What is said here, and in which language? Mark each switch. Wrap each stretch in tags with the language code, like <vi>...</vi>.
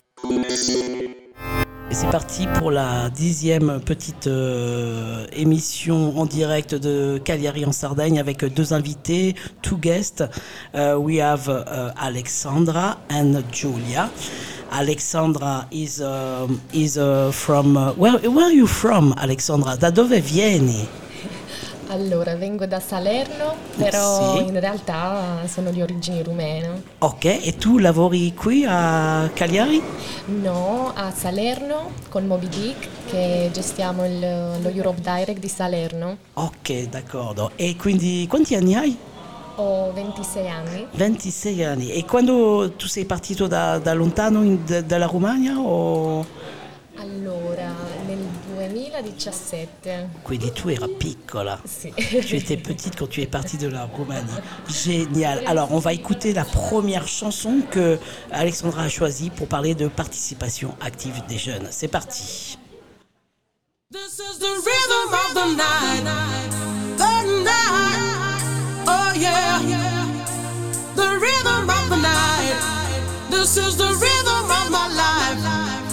<fr>Et c'est parti pour la 10e petite émission en direct de Cagliari en Sardaigne avec deux invités,</fr> <en>two guests. We have Alexandra and Julia. Alexandra is from where are you from, Alexandra?</en> <it>Da dove vieni? Allora, vengo da Salerno, però sì, in realtà sono di origini rumene. Ok, e tu lavori qui a Cagliari? No, a Salerno con Moby Dick, che gestiamo lo Europe Direct di Salerno. Ok, d'accordo. E quindi quanti anni hai? Ho 26 anni. 26 anni. E quando tu sei partito da lontano, dalla Romagna o...? Allora, nel 2017. Quindi tu eras piccola. Sì.</it> <fr>Tu étais petite quand tu es partie de la Roumanie. Génial. Alors, on va écouter la première chanson que Alexandra a choisie pour parler de participation active des jeunes. C'est parti.</fr> <en>This is the rhythm of the night. The night. Oh yeah. The rhythm of the night. This is the rhythm of my life.</en>